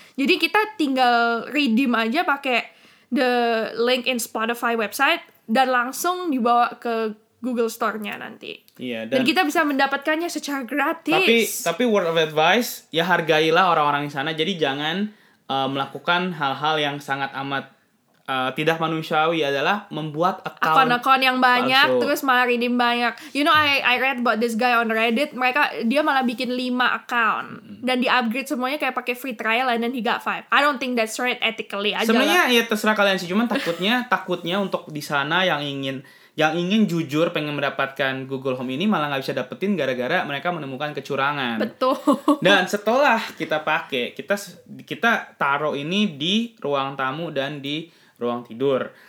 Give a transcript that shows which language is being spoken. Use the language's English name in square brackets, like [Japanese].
[Indonesian] Jadi kita tinggal redeem aja pakai [English] the link in Spotify website [Indonesian] dan langsung dibawa ke Google Store-nya nanti. Iya, dan kita bisa mendapatkannya secara gratis. Tapi [English] word of advice, [Indonesian] ya hargailah orang-orang di sana. Jadi jangan melakukan hal-hal yang sangat amat tidak manusiawi, adalah membuat akun-akun yang banyak palsu. Terus malah redeem banyak. [English] You know, I read about this guy on Reddit. [Indonesian] Mereka dia malah bikin [English] 5 account [Indonesian] dan di upgrade semuanya kayak pakai [English] free trial and then he got 5. I don't think that's right ethically. [Indonesian] Sebenarnya ya terserah kalian sih, cuman takutnya untuk di sana yang ingin jujur pengen mendapatkan Google Home ini malah nggak bisa dapetin gara-gara mereka menemukan kecurangan. Betul. Dan setelah kita pakai, kita taruh ini di ruang tamu dan di ruang tidur.